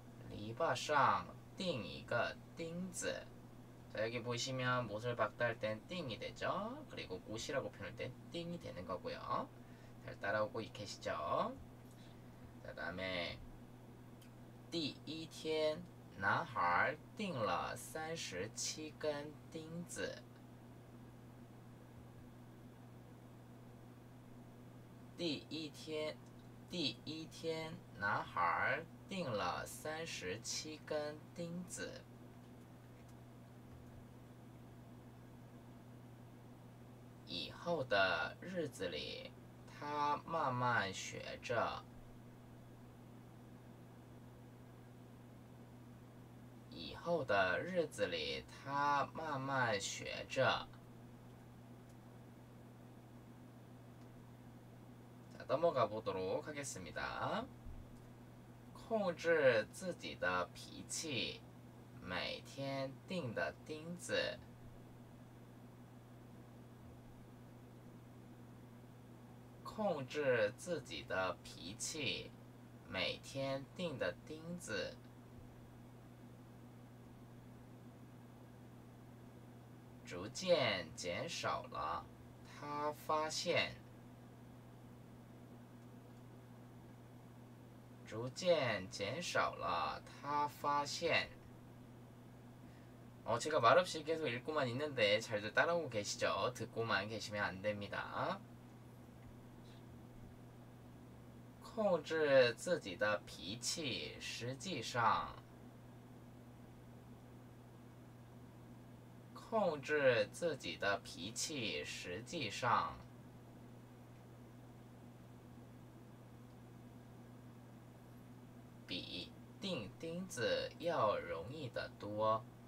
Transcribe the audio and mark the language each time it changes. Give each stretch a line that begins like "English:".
Chinese: 篱笆上钉一个钉子。
Korean: 자, 여기 보시면 못을 박다 할땐 띵이 되죠. 그리고 못이라고 표현할 땐 띵이 되는 거고요. 잘 따라오고 계시죠? 자, 다음에
Chinese: 第一天，男孩订了37根钉子。第一天，男孩订了37根钉子。以后的日子里，他慢慢学着。以后的日子里，他慢慢学着。
Korean: 자, 넘어가 보도록 하겠습니다.
Chinese: 控制自己的脾气，每天钉的钉子。控制自己的脾气，每天钉的钉子。逐渐减少了，他发现。逐渐减少了，他发现。
Korean: 제가 말없이 계속 읽고만 있는데 잘들 따라오고 계시죠? 듣고만 계시면 안 됩니다.
Chinese: 控制自己的脾气，实际上，控制自己的脾气，实际上，比钉钉子要容易得多，